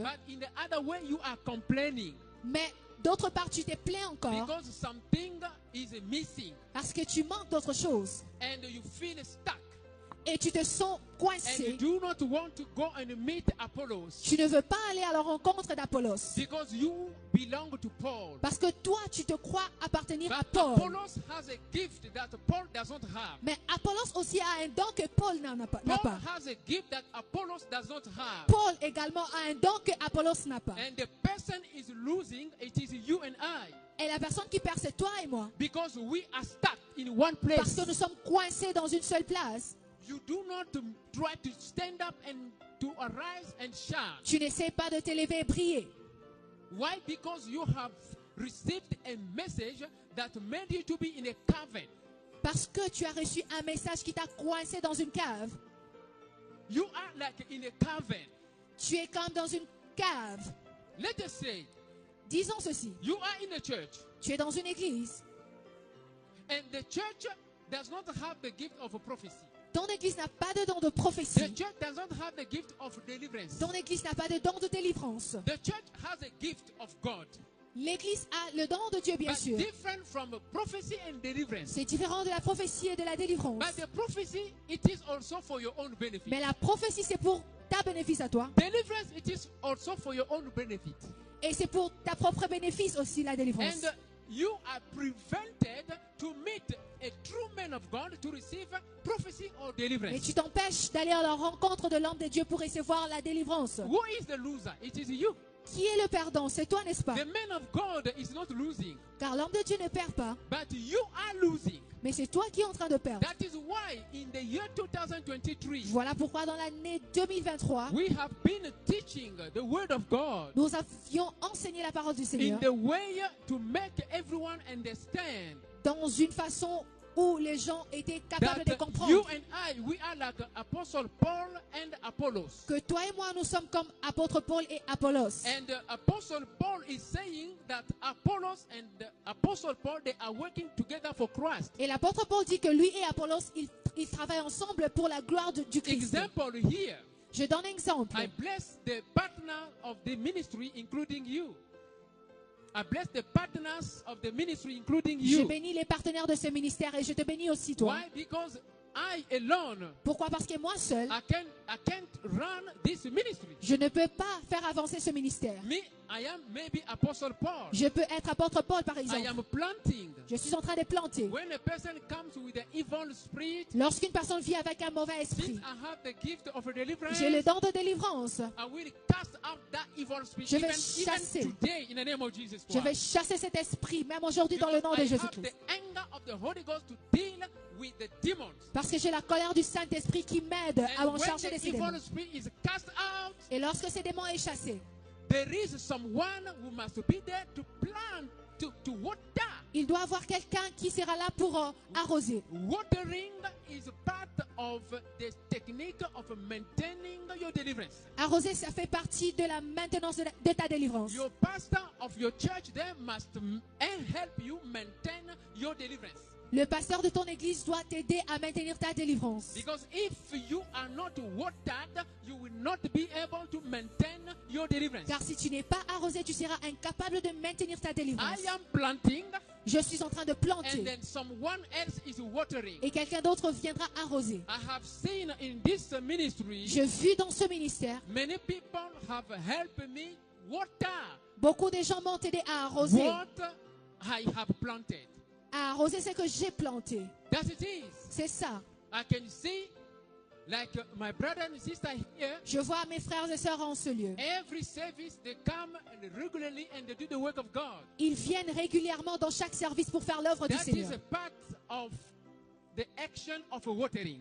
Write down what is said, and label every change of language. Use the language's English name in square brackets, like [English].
[English] But in the other way, you are complaining. [French] Mais d'autre part, tu t'es plaint encore. [English] Because something is missing. [French] Parce que tu manques d'autre chose. [English] And you feel stuck. [French] et tu te sens coincé. [English] And you do not want to go and meet Apollos. [French] Tu ne veux pas aller à la rencontre d'Apollos. [English] Because you belong to Paul. [French] Parce que toi, tu te crois appartenir [English] But [French] à Paul. [English] Apollos has a gift that Paul doesn't have. [French] Mais Apollos aussi a un don que Paul n'a pas. [English] Paul has a gift that Apollos doesn't have. [French] Paul également a un don que Apollos n'a pas. [English] And the person is losing, it is you and I. [French] Et la personne qui perd, c'est toi et moi. [English] Because we are stuck in one place. [French] Parce que nous sommes coincés dans une seule place. [English] You do not try to stand up and to arise and shine. [French] Tu n'essaies pas de te lever et briller. [English] Why? Because you have received a message that made you to be in a cavern. [French] Parce que tu as reçu un message qui t'a coincé dans une cave. [English] You are like in a cavern. [French] Tu es comme dans une cave. [English] Let us say. [French] Disons ceci. [English] You are in a church. [French] Tu es dans une église. [English] And the church does not have the gift of a prophecy. [French] Ton église n'a pas de don de prophétie. [English] The church doesn't have the gift of deliverance. [French] Ton église n'a pas de don de délivrance. [English] The church has a gift of God. [French] L'église a le don de Dieu, bien [English] But [French] sûr. [English] Different from prophecy and deliverance. [French] C'est différent de la prophétie et de la délivrance. [English] But the prophecy, it is also for your own benefit. [French] Mais la prophétie, c'est pour ta bénéfice à toi. [English] Deliverance, it is also for your own benefit. [French] Et c'est pour ta propre bénéfice aussi, la délivrance. [English] And you are prevented to meet a true man of God to receive prophecy or deliverance. [French] Mais tu t'empêches d'aller à la rencontre de l'homme de Dieu pour recevoir la délivrance. [English] Who is the loser? It is you. [French] Qui est le perdant? C'est toi, n'est-ce pas? [English] The man of God is not losing. [French] Car l'homme de Dieu ne perd pas. [English] But you are losing. [French] Mais c'est toi qui es en train de perdre. [English] That is why in the year 2023, [French] voilà pourquoi dans l'année 2023, [English] we have been teaching the word of God. [French] Nous avions enseigné la parole du Seigneur. [English] In the way to make everyone understand. [French] Dans une façon où les gens étaient capables [English] that [French] de comprendre. [English] You and I, we are like Apostle Paul and Apollos. [French] Que toi et moi, nous sommes comme apôtre Paul et Apollos. [English] And Apostle Paul is saying that Apollos and Apostle Paul, they are working together for Christ. [French] Et l'apôtre Paul dit que lui et Apollos, ils travaillent ensemble pour la gloire du Christ. [English] Example here. [French] Je donne exemple. [English] I bless the partner of the ministry, including you. I bless the partners of the ministry, including you. [French] Je bénis les partenaires de ce ministère et je te bénis aussi toi. [English] Why? Because I alone. [French] Pourquoi? Parce que moi seul. [English] I can't run this ministry. [French] Je ne peux pas faire avancer ce ministère. [English] Me, I am maybe Apostle Paul. [French] Je peux être apôtre Paul, par exemple. [English] I am planting. [French] Je suis en train de planter. [English] When a person comes with an evil spirit. [French] Lorsqu'une personne vit avec un mauvais esprit. [English] Since I have the gift of a deliverance. [French] J'ai le don de délivrance. [English] I will cast out that evil spirit. [French] Je vais chasser. [English] Even today, in the name of Jesus Christ. [French] Je vais chasser cet esprit, même aujourd'hui, [English] because [French] dans le nom [English] I [French] de Jésus-Christ. [English] Have the anger of the Holy Ghost to deal with the demons. [French] Parce que j'ai la colère du Saint-Esprit qui m'aide [English] and [French] à en charger les démons. [English] Is cast out, [French] et lorsque ces démons sont chassés, [English] there is someone who must be there to plant, to water. [French] Il doit avoir quelqu'un qui sera là pour arroser. [English] Watering is part of the technique of maintaining your deliverance. [French] Arroser, ça fait partie de la maintenance de ta délivrance. [English] Your pastor of your church there must help you maintain your deliverance. [French] Le pasteur de ton église doit t'aider à maintenir ta délivrance. [English] Because if you are not watered, you will not be able to maintain your deliverance. [French] Car si tu n'es pas arrosé, tu seras incapable de maintenir ta délivrance. [English] I am planting. [French] Je suis en train de planter. [English] And then someone else is watering. [French] Et quelqu'un d'autre viendra arroser. [English] I have seen in this ministry. [French] Je vis dans ce ministère. [English] Many people have helped me water. [French] Beaucoup de gens m'ont aidé à arroser. [English] What I have planted. [French] À arroser ce que j'ai planté. [English] That it is. [French] C'est ça. [English] I can see, like my brother and sister here, [French] je vois mes frères et sœurs en ce lieu. [English] Every service they come regularly and they do the work of God. [French] Ils viennent régulièrement dans chaque service pour faire l'œuvre du Seigneur. [English] That is a part of the action of watering.